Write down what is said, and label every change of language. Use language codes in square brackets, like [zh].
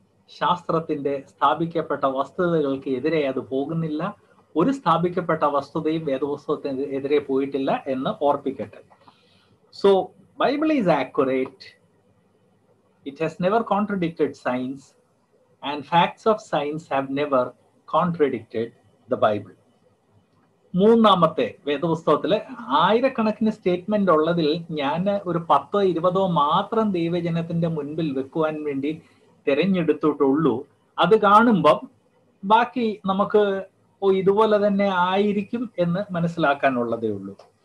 [ml] ശാസ്ത്രത്തിൻ്റെ സ്ഥാപിക്കപ്പെട്ട വസ്തുതകൾക്ക് എതിരെ അത് പോകുന്നില്ല. ഒരു സ്ഥാപിക്കപ്പെട്ട വസ്തുതയും വേദപുസ്തകത്തിന് എതിരെ പോയിട്ടില്ല എന്ന് ഓർപ്പിക്കട്ടെ. [en] So Bible is accurate. It has never contradicted science. And facts of science have never contradicted the Bible. [ml] മൂന്നാമത്തെ വേദപുസ്തകത്തിലെ ആയിരക്കണക്കിന് സ്റ്റേറ്റ്മെന്റ് ഉള്ളതിൽ ഞാൻ ഒരു 10-20 മാത്രം ദൈവജനത്തിന്റെ മുൻപിൽ വെക്കുവാൻ വേണ്ടി തിരഞ്ഞെടുത്തിട്ടുള്ളൂ. അത് കാണുമ്പം ബാക്കി നമുക്ക് ഇതുപോലെ തന്നെ ആയിരിക്കും എന്ന് മനസ്സിലാക്കാനുള്ളതേ ഉള്ളൂ.